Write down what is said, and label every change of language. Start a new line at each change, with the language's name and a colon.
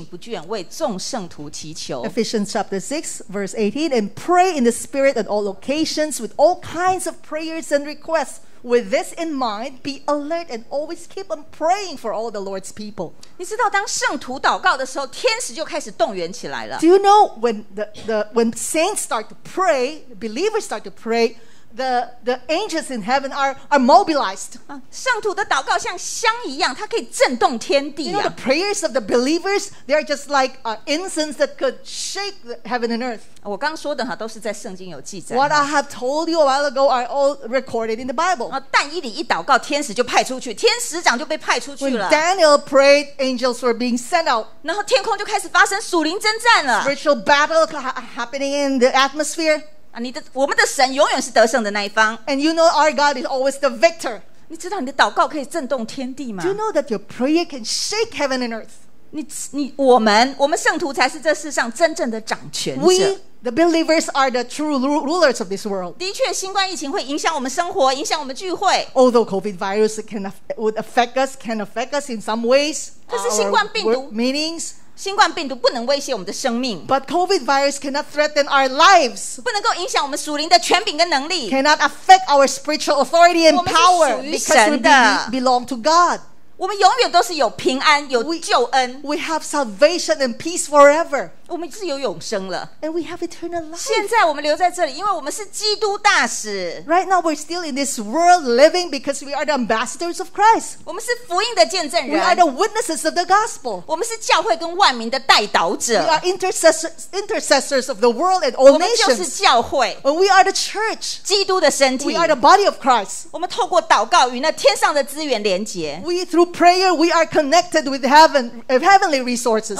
Chinese: 他说要靠着圣灵，随时多方的祷告祈求，并要在此警醒不倦，为众圣徒祈求。
English: Ephesians chapter 6, verse 18, and pray in the Spirit at all occasions with all kinds of prayers and requests. With this in mind, be alert and always keep on praying for all the Lord's people.
Chinese: 你知道当圣徒祷告的时候，天使就开始动员起来了。
English: Do you know when when saints start to pray, believers start to pray, the angels in heaven are mobilized.
Chinese: 圣徒的祷告像香一样，它可以震动天地啊。
English: You know, the prayers of the believers, they are just like incense that could shake the heaven and earth.
Chinese: 我刚说的哈，都是在圣经有记载。
English: What I have told you a while ago are all recorded in the Bible.
Chinese: 但以理一祷告，天使就派出去，天使长就被派出去了。
English: When Daniel prayed, angels were being sent out.
Chinese: 然后天空就开始发生属灵征战了。
English: Spiritual battle happening in the atmosphere.
Chinese: 我们的神永远是得胜的那一方。
English: And you know our God is always the victor.
Chinese: 你知道你的祷告可以震动天地吗？
English: Do you know that your prayer can shake heaven and earth?
Chinese: 我们圣徒才是这世上真正的掌权者。
English: We, the believers, are the true rulers of this world.
Chinese: 的确，新冠疫情会影响我们生活，影响我们聚会。
English: Although COVID virus can affect us in some ways.
Chinese: 但是新冠病毒
English: meanings.
Chinese: 新冠病毒不能威胁我们的生命。
English: But COVID virus cannot threaten our lives.
Chinese: 不能够影响我们属灵的权柄跟能力。
English: Cannot affect our spiritual authority and power. Because we belong to God.
Chinese: 我们永远都是有平安，有救恩。
English: We have salvation and peace forever.
Chinese: 我们自有永生了。
English: And we have eternal life.
Chinese: 现在我们留在这里，因为我们是基督大使。
English: Right now we're still in this world living because we are the ambassadors of Christ.
Chinese: 我们是福音的见证人。
English: We are the witnesses of the gospel.
Chinese: 我们是教会跟万民的代祷者。
English: We are intercessors of the world and all nations.
Chinese: 我们就是教会。
English: But we are the church.
Chinese: 基督的身体。
English: We are the body of Christ.
Chinese: 我们透过祷告与那天上的资源连结。
English: We through prayer we are connected with heavenly resources.